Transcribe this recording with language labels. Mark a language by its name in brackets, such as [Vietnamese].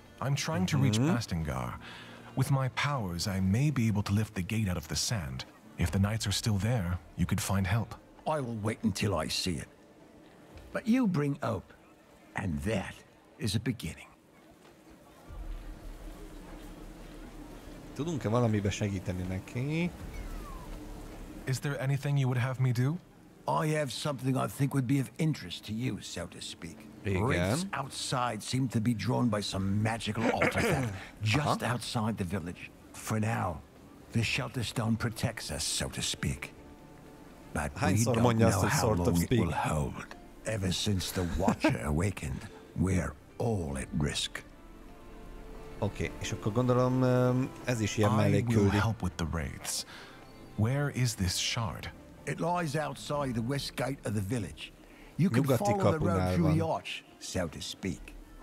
[English] I'm trying to reach Bastingar. With my powers, I may be able to lift the gate out of the sand. If the knights are still there, you could find help. I will wait until I see it. But you bring hope, and that is a beginning. [Hungarian] Tudunk-e valamibe segíteni neki? [English] Is there anything you would have me do? I have something I think would be of interest to you, so to speak. Wraiths outside seem to be drawn by some magical artifact just outside the village. For now, the shelter stone protects us, so to speak. But we don't know how long it will hold. Ever since the Watcher awakened, we're all at risk. [Hungarian] Okay, és akkor gondolom ez is ilyen mellékküldi. [English] I will help with the wraiths. Where is this shard? It lies outside the west gate of the village. You can follow the road through the arch, so to speak.